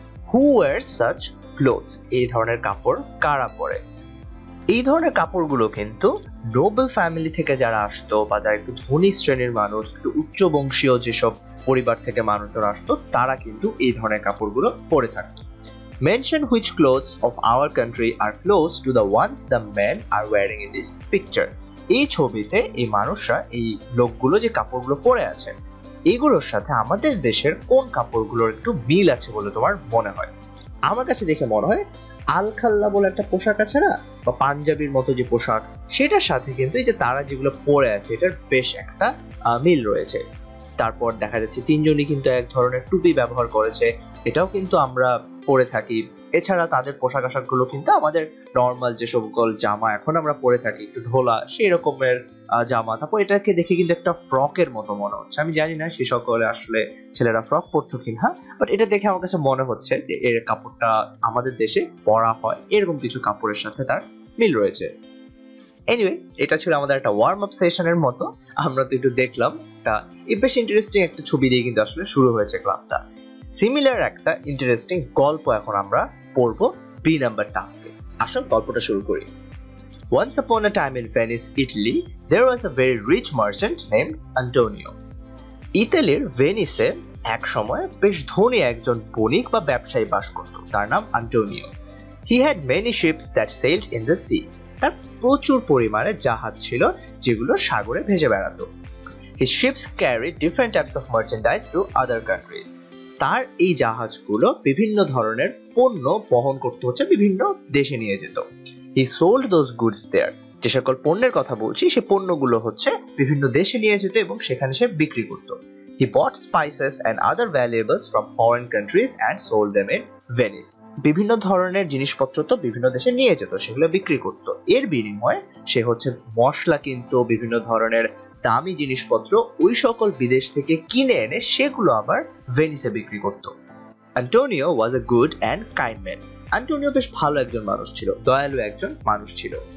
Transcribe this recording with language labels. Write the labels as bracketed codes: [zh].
[en] who wore such clothes, [bn] এই ধরনের কাপড় কারা পরে? এই ধরনের কাপড়গুলো কিন্তু নোবেল ফ্যামিলি থেকে যারা আসতো বা যারা একটু ধনী শ্রেণীর মানুষ, একটু উচ্চ বংশীয় যেসব পরিবার থেকে মানুষজন আসতো, তারা কিন্তু এই ধরনের কাপড়গুলো পরে থাকতো। [en] Mention which clothes of our country are close to the ones the men are wearing in this picture. [bn] এই ছবিতে এই মানুষরা, এই লোকগুলো যে কাপড়গুলো পরে আছে, এগুলোর সাথে আমাদের দেশের কোন কাপড়গুলোর একটু মিল আছে বলে তোমার মনে হয়? আমার কাছে দেখে মনে হয় আলখাল্লা বলে একটা পোশাক আছে না, বা পাঞ্জাবির মতো যে পোশাক, সেটার সাথে কিন্তু এই যে তারা যেগুলো পরে আছে এটার বেশ একটা মিল রয়েছে। তারপর দেখা যাচ্ছে তিনজনই কিন্তু এক ধরনের টুপি ব্যবহার করেছে, এটাও কিন্তু আমরা পরে থাকি। এছাড়া তাদের পোশাক আশাকগুলো কিন্তু আমাদের নর্মাল যে সকল জামা এখন আমরা পরে থাকি, একটু ঢোলা সেই রকমের জামা। তারপর এটাকে দেখে কিন্তু একটা ফ্রকের মতো মনে হচ্ছে, আমি জানি না সে সকলে আসলে ছেলেরা ফ্রক পরতো কিনা, বাট এটা দেখে আমার কাছে মনে হচ্ছে যে এর কাপড়টা আমাদের দেশে পরা হয়, এরকম কিছু কাপড়ের সাথে তার মিল রয়েছে। এনিওয়ে, এটা ছিল আমাদের একটা ওয়ার্ম আপ সেশনের মতো, আমরা তো একটু দেখলাম, একটা বেশ ইন্টারেস্টিং একটা ছবি দিয়ে কিন্তু আসলে শুরু হয়েছে ক্লাসটা। সিমিলার একটা ইন্টারেস্টিং গল্প এখন আমরা পড়ব বি নাম্বার টাস্কে। আসল গল্পটা শুরু করি। [en] Once upon a time in Venice, Italy, there was a very rich merchant named Antonio. [bn] ইতালির ভেনিসে এক সময় বেশ ধনী একজন বণিক বা ব্যবসায়ী বাস করত, তার নাম Antonio. [en] He had many ships that sailed in the sea. [bn] তার প্রচুর পরিমাণে জাহাজ ছিল যেগুলো সাগরে ভেসে বেড়াত। [en] His ships carried different types of merchandise to other countries. [bn] তার এই জাহাজগুলো বিভিন্ন ধরনের পণ্য বহন করতে হচ্ছে বিভিন্ন দেশে নিয়ে যেত। [en] He sold those goods there. [bn] যে সকল পণ্যের কথা বলছি সে পণ্যগুলো হচ্ছে বিভিন্ন দেশে নিয়ে যেত এবং সেখানে সে বিক্রি করত। [en] He bought spices and other valuables from foreign countries and sold them in Venice. [bn] বিভিন্ন ধরনের জিনিসপত্র তো বিভিন্ন দেশে নিয়ে যেত, সেগুলো বিক্রি করত। এর বিনিময়ে সে হচ্ছে মশলা কিনতো, বিভিন্ন ধরনের দামি জিনিসপত্র ওই সকল বিদেশ থেকে কিনে এনে সেগুলো আবার ভেনিসে বিক্রি করত। [en] Antonio was a good and kind man, [bn] Antonio বেশ ভালো একজন মানুষ ছিল, দয়ালু একজন মানুষ ছিল।